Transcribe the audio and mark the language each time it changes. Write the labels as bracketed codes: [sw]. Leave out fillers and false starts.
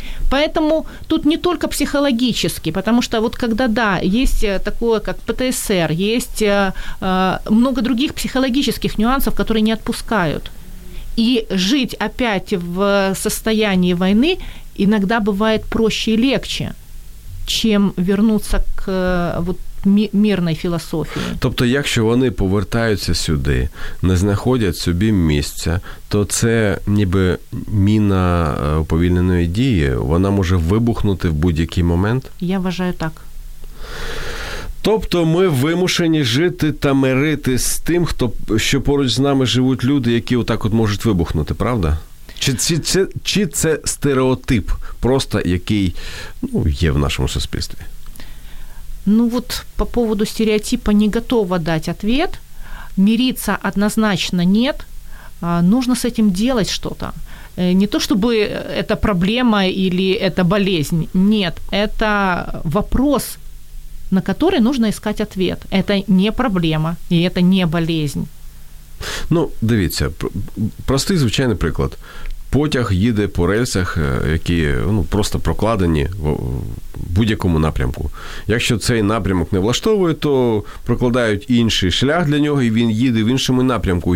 [ru] Поэтому тут не только психологически, потому что вот когда, да, есть такое, как ПТСР, есть много других психологических нюансов, которые не отпускают. И жить опять в состоянии войны иногда бывает проще и легче, чем вернуться к вот, мирной философии. [uk] Тобто, якщо вони повертаються сюди, не знаходять собі місця, то це ніби міна уповільненої дії, вона може вибухнути в будь-який момент? Я вважаю так. Тобто ми вимушені жити та миритись з тим, що поруч з нами живуть люди, які отак от можуть вибухнути, правда? Чи це стереотип просто, який є в нашому суспільстві? Ну, от [ru] по поводу [uk] стереотипу не готова дати відповідь. Міритися однозначно ні. Нужно з цим робити щось. [ru] Не то, чтобы це проблема или це болезнь. Ні, це вопрос, на который нужно искать ответ. Это не проблема, и это не болезнь. [uk] Ну, дивіться, простий, звичайний приклад. Потяг їде по рельсах, які просто прокладені в будь-якому напрямку. Якщо цей напрямок не влаштовує, то прокладають інший шлях для нього, і він їде в іншому напрямку.